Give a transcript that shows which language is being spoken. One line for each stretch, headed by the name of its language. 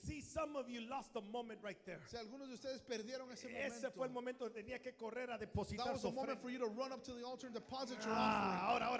English: See, some of you lost a moment right there.
Spanish: Si algunos de ustedes perdieron ese momento. Ese fue el momento que tenía que correr a depositar su ofrenda.
English: That was the moment for you to run up to the altar and deposit your offering.